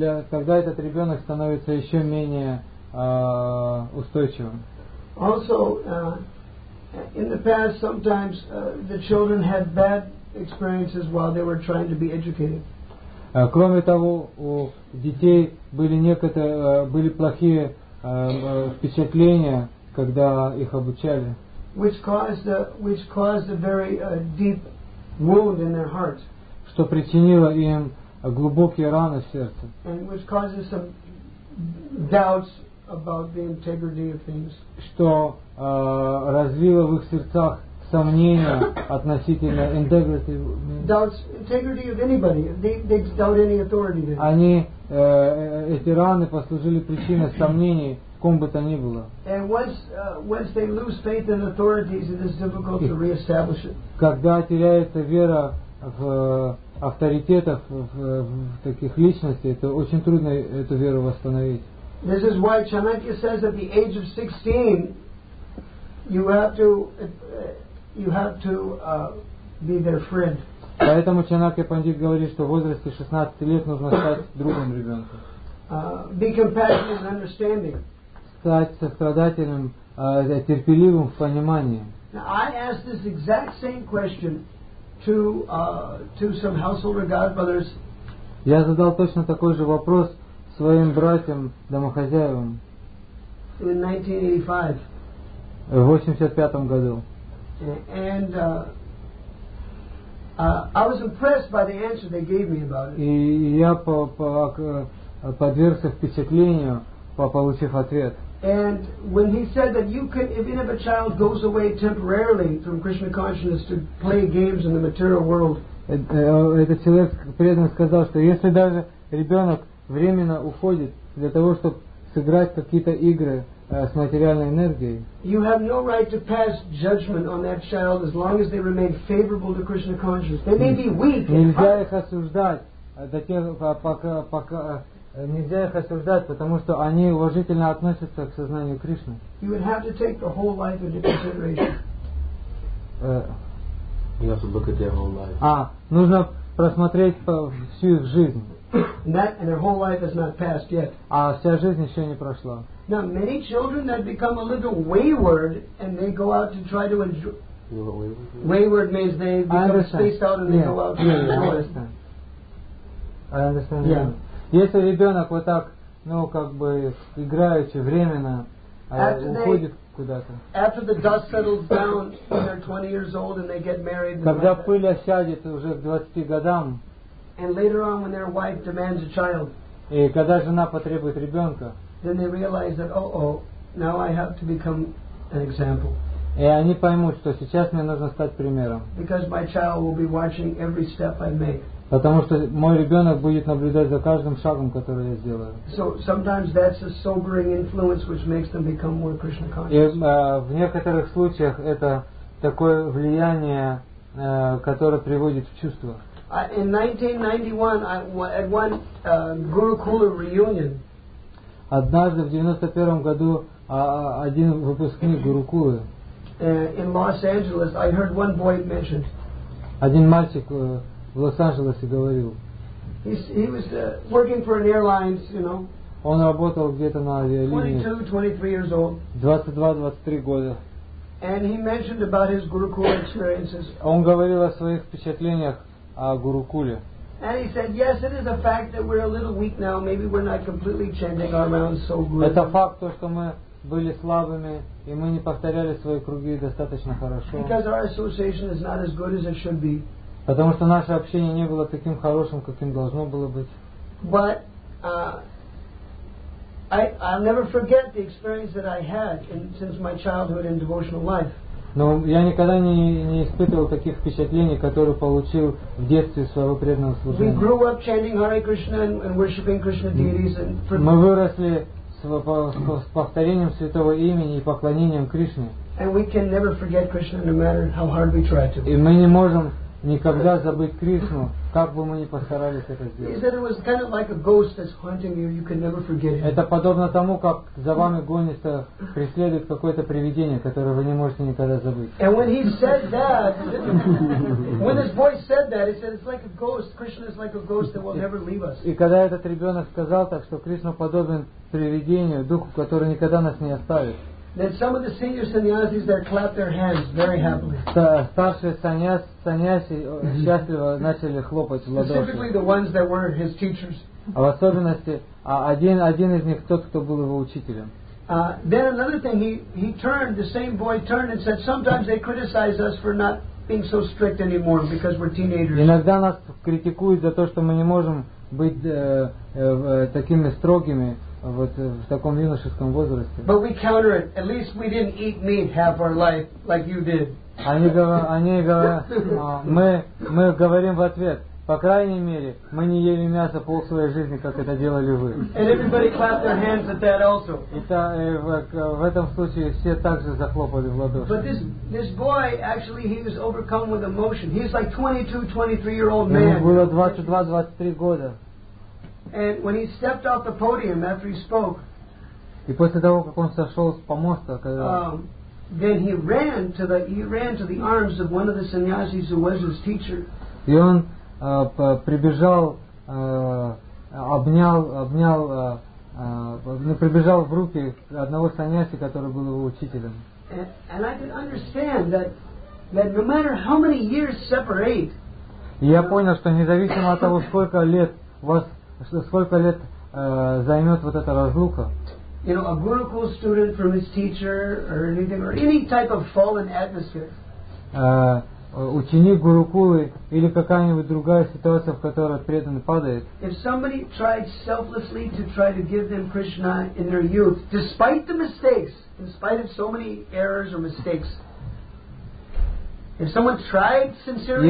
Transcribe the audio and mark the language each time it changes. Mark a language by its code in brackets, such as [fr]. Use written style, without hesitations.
[ru] Тогда этот ребенок становится еще менее устойчивым. [en] Also, in the past, sometimes the children had bad experiences while they were trying to be educated. [ru] Кроме того, у детей были некоторые были плохие впечатления, когда их обучали. [en] Which caused a very deep wound in their heart. [ru] Что причинило им глубокие раны в сердце. [en] And which causes some doubts about the integrity of things. [ru] Что развило в их сердцах сомнения относительно integrity. [en] Doubts integrity of anybody. They doubt any authority. Then. [ru] Они эти раны послужили причиной сомнений. Ком бы то ни было. [en] And once they lose faith in authorities, it is difficult to reestablish it. [ru] Когда теряется вера в авторитетов, в таких личностей, это очень трудно эту веру восстановить. [en] This is why Chanakya says at the age of 16, you have to be their friend. [ru] Поэтому Чанакья Пандит говорит, что в возрасте 16 лет нужно стать другом ребенка. [en] Be compassionate and understanding. [ru] Стать сострадательным, терпеливым в понимании. [en] Now, I asked this exact same question to some householder godbrothers. [ru] Я задал точно такой же вопрос своим братьям домохозяевым. [en] In 1985. [ru] В 85 году. [en] And I was impressed by the answer they gave me about it. [ru] И я подвергся впечатлению, получив ответ. [en] And when he said that you can, even if a child goes away temporarily from Krishna consciousness to play games in the material world. [ru] Этот человек преданно сказал, что если даже ребенок временно уходит для того, чтобы сыграть какие-то игры с материальной энергией. [en] You have no right to pass judgment on that child as long as they remain favorable to Krishna consciousness. They may be weak. [ru] Нельзя их осуждать до тех пока. Нельзя их осуждать, потому что они уважительно относятся к сознанию Кришны. [en] You would have to take the whole life into consideration. You have to look at their whole life. [ru] Нужно просмотреть всю их жизнь. [en] And their whole life has not passed yet. [ru] А вся жизнь еще не прошла. [en] Now many children that become a little wayward and they go out to try to enjoy. Wayward means they become spaced out and they go out to enjoy. I understand. Yeah. [ru] Если ребенок вот так, играючи, временно уходит куда-то. [en] After the dust settles down, they're 20 years old and they get married. [ru] Когда пыль осядет уже к 20 годам. [en] And later on, when their wife demands a child. [ru] И когда жена потребует ребенка. [en] Then they realize that, now I have to become an example. [ru] И они поймут, что сейчас мне нужно стать примером. [en] Because my child will be watching every step I make. [ru] Потому что мой ребенок будет наблюдать за каждым шагом, который я сделаю. [en] So sometimes that's a sobering influence which makes them become more Krishna conscious. [ru] И в некоторых случаях это такое влияние, которое приводит в чувство. [en] In 1991, at one Gurukula reunion. [ru] Однажды в 91 году один выпускник Гурукулы. [en] In Los Angeles, I heard one boy mentioned. [ru] Один мальчик в Лос-Анджелесе говорил. [en] He was working for an airlines, you know. [ru] Он работал где-то на авиалинии. [en] 22-23 years old. [ru] 22-23 года. [en] And he mentioned about his Gurukula experiences. [ru] Он говорил о своих впечатлениях о Гурукуле. [en] And he said, yes, it is a fact that we're a little weak now. Maybe we're not completely chanting our mounds so good. [ru] Это факт, то, что мы были слабыми, и мы не повторяли свои круги достаточно хорошо. [en] Because our association is not as good as it should be. [ru] Потому что наше общение не было таким хорошим, каким должно было быть. [en] But I'll never forget the experience that I had since my childhood in devotional life. [ru] Но я никогда не испытывал таких впечатлений, которые получил в детстве своего преданного служения. [en] We grew up chanting Hare Krishna and worshiping Krishna deities. [ru] Мы выросли с повторением святого имени и поклонением Кришне. [en] And we can never forget Krishna, no matter how hard we try to. [ru] И мы не можем никогда забыть Кришну, как бы мы ни постарались это сделать. Это подобно тому, как за вами гонится, преследует какое-то привидение, которое вы не можете никогда забыть. [en] And when he said that, when this boy said that, he said it's like a ghost. Krishna is like a ghost that will never leave us. [ru] И когда этот ребенок сказал так, что Кришна подобен привидению, духу, который никогда нас не оставит. [en] Then some of the senior sannyasis there clapped their hands very happily. [ru] Старшие саньяси счастливо начали хлопать в ладоши. [en] Specifically the ones that were his teachers. [ru] А в особенности один из них тот, кто был его учителем. [en] Then another thing, the same boy turned and said, sometimes they criticize us for not being so strict anymore because we're teenagers. [ru] Иногда нас критикуют за то, что мы не можем быть такими строгими. Вот в таком юношеском возрасте. [en] But we counter it. At least we didn't eat meat half our life like you did. [ru] Мы говорим в ответ. По крайней мере, мы не ели мясо пол своей жизни, как это делали вы. [en] And everybody clapped their hands at that also. [ru] В этом случае все также захлопали в ладоши. [en] But this boy, actually, he was overcome with emotion. He's like 22-23 year old man. [ru] Ему было 22-23 года. [en] And when he stepped off the podium after he spoke, [ru] И после того, как он сошел с помоста, когда... [en] then he ran to the arms of one of the sannyasis who was his teacher. [ru] И он прибежал в руки одного саньяси, который был его учителем. [en] And I could understand that no matter how many years separate. [ru] И я понял, что независимо от того, сколько лет займет вот эта разлука. [en] You know, a gurukul student from his teacher or anything or any type of fallen atmosphere. [ru] Ученик гурукулы или какая-нибудь другая ситуация, в которой преданный падает. [en] If somebody tried selflessly to try to give them Krishna in their youth, despite the mistakes, in spite of so many errors or mistakes. If someone tried sincerely